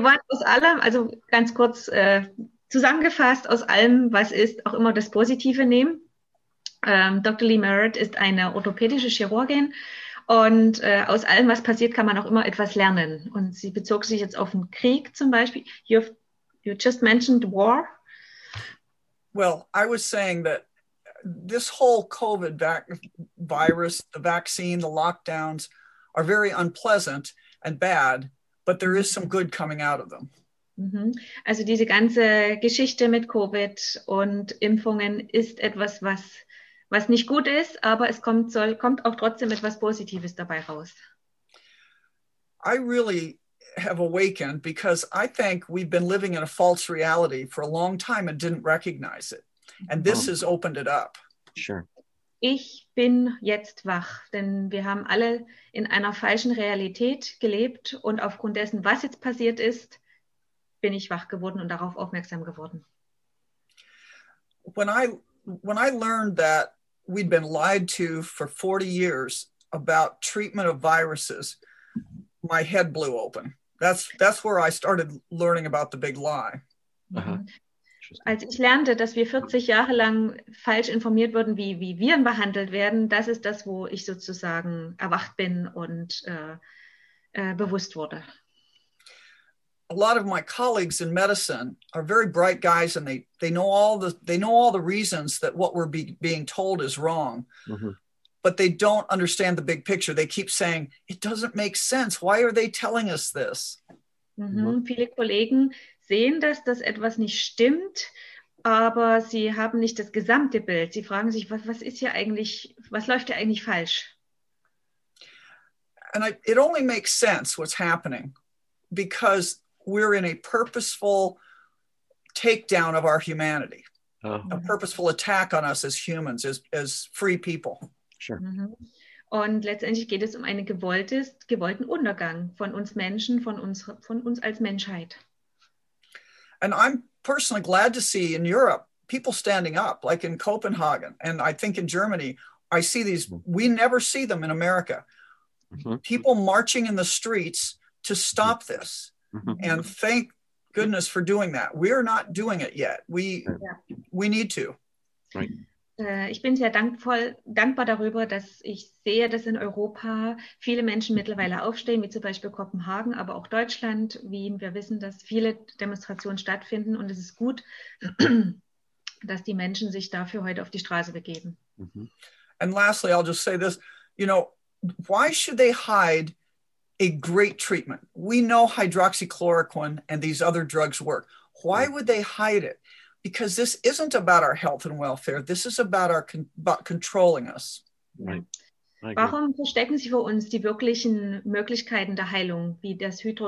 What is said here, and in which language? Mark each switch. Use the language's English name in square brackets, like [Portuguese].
[German] Aus allem, also ganz kurz zusammengefasst, aus allem, was ist, auch immer das Positive nehmen. Dr. Lee Merritt ist eine orthopädische Chirurgin. Und aus allem, was passiert, kann man auch immer etwas lernen. Und sie bezog sich jetzt auf den Krieg zum Beispiel. [English] You just mentioned war. Well, I was saying that this whole COVID virus, the vaccine, the lockdowns are very unpleasant and bad, but there is some good coming out of them. [German] Also diese ganze Geschichte mit COVID und Impfungen ist etwas, was nicht gut ist, aber es kommt auch trotzdem etwas Positives dabei raus. [English] I really have awakened because I think we've been living in a false reality for a long time and didn't recognize it. And this has opened it up. Sure. [German] Ich bin jetzt wach, denn wir haben alle in einer falschen Realität gelebt und aufgrund dessen, was jetzt passiert ist, bin ich wach geworden und darauf aufmerksam geworden. [English] When I learned that we'd been lied to for 40 years about treatment of viruses, my head blew open. That's where I started learning about the big lie. Uh-huh. [German] Als ich lernte, dass wir 40 Jahre lang falsch informiert wurden, wie Viren behandelt werden, das ist das, wo ich sozusagen erwacht bin und bewusst wurde. [English] A lot of my colleagues in medicine are very bright guys, and they know all the reasons that what we're being told is wrong, but they don't understand the big picture. They keep saying, it doesn't make sense. Why are they telling us this? [German] Viele Kollegen sehen, dass das etwas nicht stimmt, aber sie haben nicht das gesamte Bild. Sie fragen sich, was ist hier eigentlich, was läuft hier eigentlich falsch? [English] And it only makes sense what's happening because we're in a purposeful takedown of our humanity, a purposeful attack on us as humans, as free people. Sure. [German] Und letztendlich geht es um einen gewollten Untergang von uns Menschen, von uns als Menschheit. [English] And I'm personally glad to see in Europe people standing up, like in Copenhagen, and I think in Germany, I see these, we never see them in America, people marching in the streets to stop this. And thank goodness for doing that. We're not doing it yet. We need to. [German] Ich bin sehr dankbar darüber, dass ich sehe, dass in Europa viele Menschen mittlerweile aufstehen, wie zum Beispiel Kopenhagen, aber auch Deutschland, Wien. Wir wissen, dass viele Demonstrationen stattfinden und es ist gut, dass die Menschen sich dafür heute auf die Straße begeben. [English] And lastly, I'll just say this. You know, why should they hide a great treatment? We know hydroxychloroquine and these other drugs work. Why would they hide it? Because this isn't about our health and welfare. This is about about controlling us. Right. [German] Warum verstecken Sie vor uns die wirklichen Möglichkeiten der Heilung, wie das